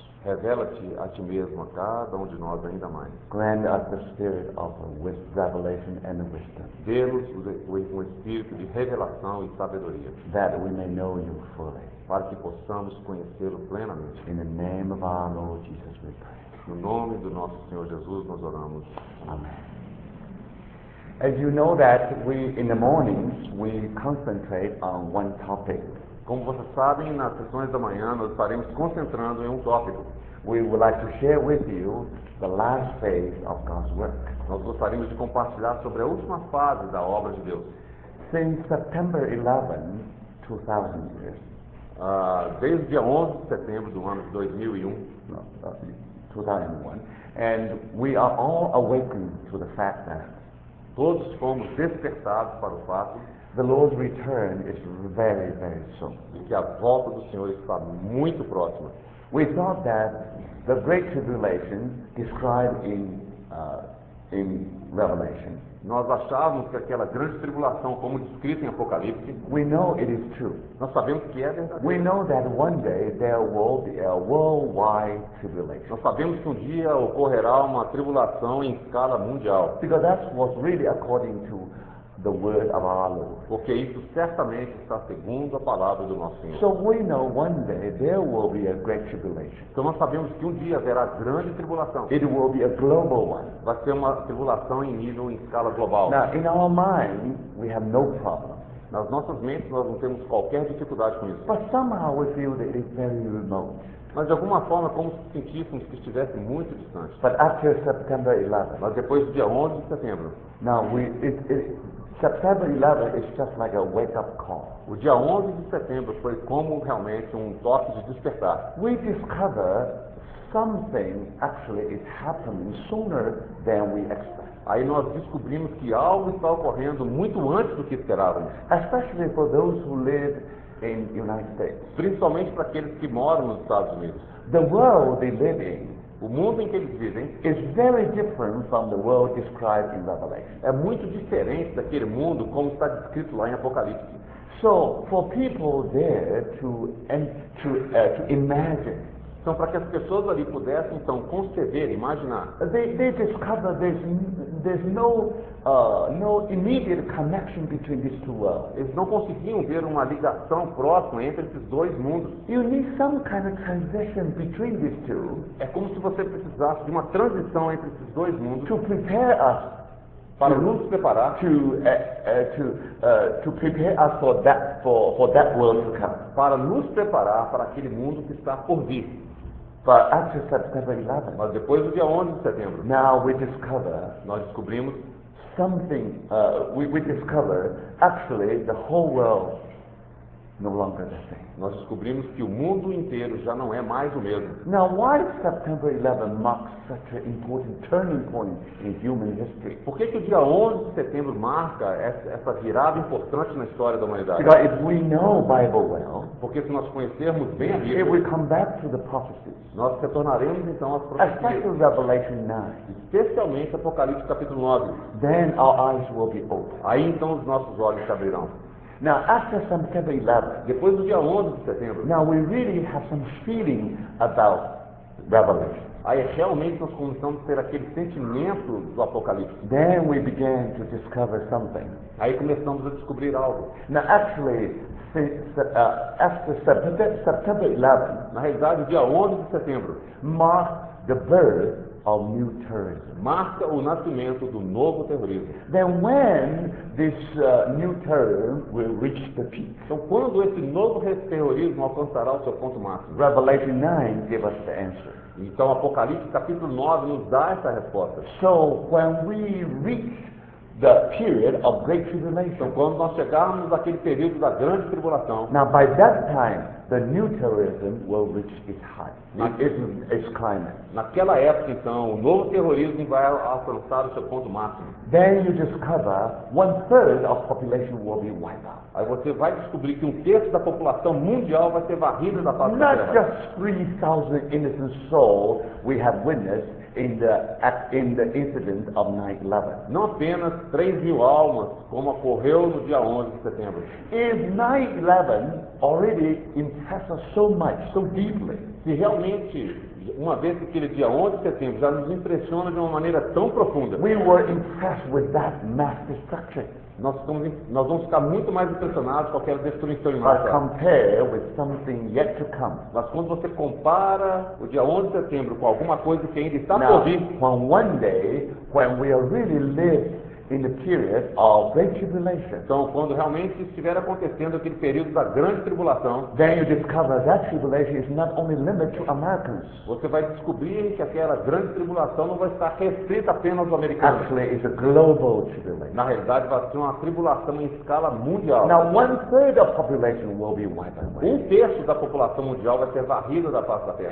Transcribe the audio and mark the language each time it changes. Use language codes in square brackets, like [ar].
[pt] Revela-te a ti mesmo, a cada de nós, ainda mais. [en] Grant us the spirit of revelation and wisdom. [pt] Dê-nos um espírito de revelação e sabedoria. [en] That we may know you fully. [pt] Para que possamos conhecê-lo plenamente. [en] In the name of our Lord Jesus, we pray. [pt] No nome do nosso Senhor Jesus, nós oramos. Amém. [en] As you know that, we in the mornings, we concentrate on one topic. [pt] Como vocês sabem, nas sessões da manhã, nós estaremos concentrando em um tópico. [en] We would like to share with you the last phase of God's work. [pt] Nós gostaríamos de compartilhar sobre a última fase da obra de Deus. [en] Since September 11, 2000 years. [pt] Desde o dia 11 de setembro do ano de 2001. 2001. [en] And we are all awakened to the fact that [pt] todos fomos despertados para o fato [en] the Lord's return is very, very soon. [pt] E que a volta do Senhor está muito próxima. [en] We thought that the great tribulation described in Revelation. [pt] Nós achávamos que aquela grande tribulação, como descrito em Apocalipse, [en] we know it is true. [pt] Nós sabemos que é verdadeiro. [en] We know that one day there will be a worldwide tribulation. [pt] Nós sabemos que um dia ocorrerá uma tribulação em escala mundial. [en] Because that was really according to the word of our Lord. [pt] Porque isso certamente está segundo a palavra do nosso Senhor. [en] So we know one day there will be a great tribulation. [pt] Então nós sabemos que um dia haverá grande tribulação. [en] It will be a global one. [pt] Vai ser uma tribulação em nível em escala global. [en] Now in our mind we have no problem. [pt] Nas nossas mentes nós não temos qualquer dificuldade com isso. [en] But somehow we feel that it is very remote. [pt] Mas de alguma forma como se sentíssemos que estivesse muito distante. [en] But after September 11. [pt] Mas depois do dia 11 de setembro. [en] Now September 11 is just like a wake-up call. [pt] O dia 11 de setembro foi como realmente toque de despertar. [en] We discover something actually is happening sooner than we expect. [pt] Aí nós descobrimos que algo está ocorrendo muito antes do que esperávamos. [en] Especially for those who live in the United States. [pt] Principalmente para aqueles que moram nos Estados Unidos. [en] The world they live in. [pt] O mundo em que eles vivem [en] is very different from the world described in Revelation. [pt] É muito diferente daquele mundo como está descrito lá em Apocalipse. [en] So, for people there to imagine. [pt] Então, para que as pessoas ali pudessem então conceber, imaginar. [en] They discover there's no immediate connection between these two worlds. [pt] Eles não conseguiam ver uma ligação próxima entre esses dois mundos. [en] You need some kind of transition between these two. [pt] É como se você precisasse de uma transição entre esses dois mundos. [en] To prepare us. [pt] Para nos preparar. [en] To prepare us for that world to come. [pt] Para nos preparar para aquele mundo que está por vir. [en] But after September 11. [pt] Mas depois do dia 11 de setembro. [en] Now we discover. [pt] Nós descobrimos. [en] Something, we discover actually the whole world no longer the same. [pt] Nós descobrimos que o mundo inteiro já não é mais o mesmo. [en] Now, why does September 11 mark such an important turning point in human history? [pt] Por que que o dia 11 de setembro marca essa virada importante na história da humanidade? [en] Because if we know Bible well, [pt] porque se nós conhecermos bem a Bíblia, [en] if we come back to the prophecies, [pt] nós retornaremos então às profecias. [en] Especially Revelation 9, [pt] especialmente Apocalipse capítulo 9. [en] Then our eyes will be open. [pt] Aí então os nossos olhos se abrirão. [en] Now, after September 11, [pt] depois do dia 11 de setembro, [en] now we really have some feeling about Revelation. [pt] Aí realmente nós começamos a ter aquele sentimento do Apocalipse. [en] Then we began to discover something. [pt] Aí começamos a descobrir algo. [en] Now, actually, after September 11, [pt] na realidade, o dia 11 de setembro [en] marked the birth of new terrorism. [pt] Marca o nascimento do novo terrorismo. [en] Then when this new terror will reach the peak? [pt] Então quando esse novo terrorismo alcançará o seu ponto máximo? [en] Revelation 9 gives us the answer. [pt] Então Apocalipse capítulo 9 nos dá essa resposta. [en] So when we reach the period of great tribulation. [pt] Então quando nós chegarmos àquele período da grande tribulação. [en] Now by that time the new terrorism will reach its height. Its climax. [pt] Naquela época então o novo terrorismo vai alcançar o seu ponto máximo. [en] Then you discover one third of population will be wiped out. [pt] Aí você vai descobrir que um terço da população mundial vai ser varrida da face da terra. [en] Not just 3,000 innocent souls we have witnessed in the incident of 9/11. [pt] Não apenas 3,000 almas como ocorreu no dia 11 de setembro. [en] If 9/11 already impressed us so much, so deeply. [pt] Se realmente uma vez que aquele dia 11 de setembro já nos impressiona de uma maneira tão profunda. [en] We were impressed with that mass destruction. [pt] Nós vamos ficar muito mais impressionados com aquela destruição em massa. [en] Compare with something yet to come. [pt] Mas quando você compara o dia 11 de setembro com alguma coisa que ainda está [en] now, [pt] por vir, [en] when one day when we are really live in the period of great tribulation. [pt] Então, quando realmente estiver acontecendo aquele período da grande tribulação, [en] then you discover that tribulation is not only limited to Americans. [pt] Você vai descobrir que aquela grande tribulação não vai estar restrita apenas aos americanos. [en] Actually, it's a global tribulation. [pt] Na realidade, vai ser uma tribulação em escala mundial. [en] Now, one third of population will be wiped away. [pt] Um terço da população mundial vai ser varrida da face da terra.